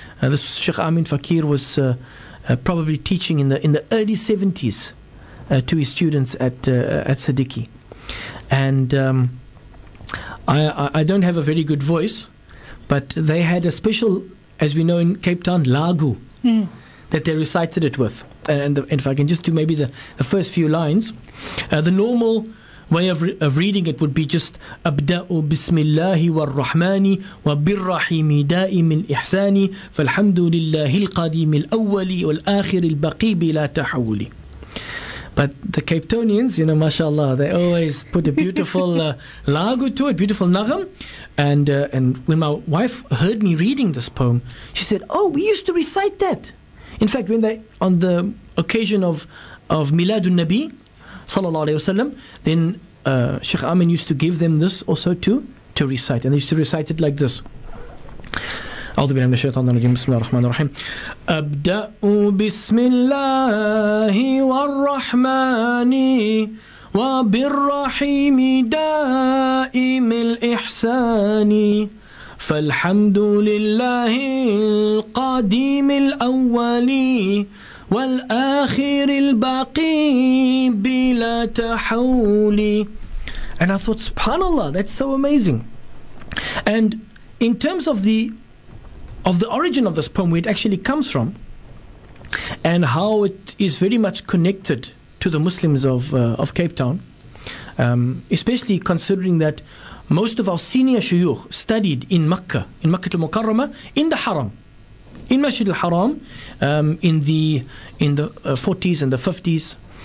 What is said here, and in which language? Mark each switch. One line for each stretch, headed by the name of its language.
English: This Sheikh Amin Faqir was probably teaching in the early 70s to his students at Siddiqui. And I don't have a very good voice, but they had a special, as we know in Cape Town, lagu. Mm. That they recited it with. And if I can just do maybe the first few lines. The normal way of reading it would be just
Arabic: أبدأ بسم الله والرحمن وبالرحيم دائم الإحسان فالحمد لله القديم الأول والآخر البقي بلا تحول.
English: But the Cape Townians, you know, mashallah, they always put a beautiful lagu to it, beautiful nagam. And when my wife heard me reading this poem, she said, "Oh, we used to recite that." In fact, when they, on the occasion of Miladun Nabi, sallallahu alayhi wasallam, then Sheikh Amin used to give them this also to recite, and they used to recite it like this.
Arabic: أعوذ بالله من الشيطان الرجيم بسم الله الرحمن الرحيم أبدأ بسم الله والرحمن وبالرحيم دائم الإحسان فالحمد لله القديم الأول والآخر الباقي بلا تحول.
English: And I thought, subhanAllah, that's so amazing. And in terms of the origin of this poem, where it actually comes from, and how it is very much connected to the Muslims of Cape Town, especially considering that most of our senior shuyukh studied in Makkah, in Makkah al-Mukarramah, in the Haram, in Masjid al-Haram, in the 40s and the 50s.